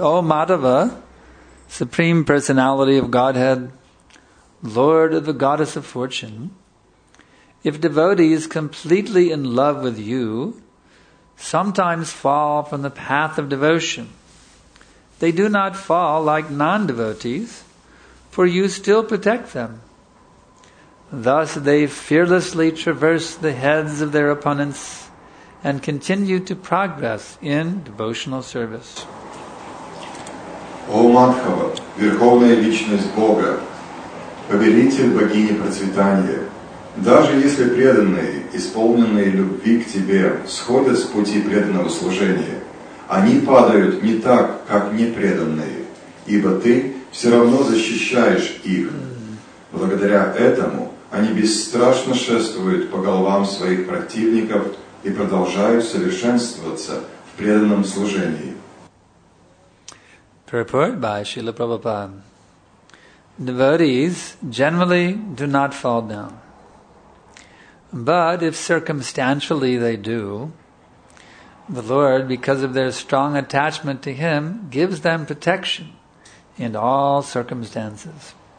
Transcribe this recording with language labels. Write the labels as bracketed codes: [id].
[en] O Madhava, Supreme Personality of Godhead, Lord of the Goddess of Fortune, if devotees completely in love with you sometimes fall from the path of devotion, they do not fall like non-devotees, for you still protect them. Thus they fearlessly traverse the heads of their opponents and continue to progress in devotional service. [ru] О Мадхава, Верховная Личность Бога, Повелитель Богини Процветания, даже если преданные, исполненные любви к Тебе, сходят с пути преданного служения, они падают не так, как непреданные, ибо Ты все равно защищаешь их. Благодаря этому они бесстрашно шествуют по головам своих противников и продолжают совершенствоваться в преданном служении. [en] Purport by Srila Prabhupada. Devotees generally do not fall down. But if circumstantially they do, the Lord, because of their strong attachment to Him, gives them protection in all circumstances.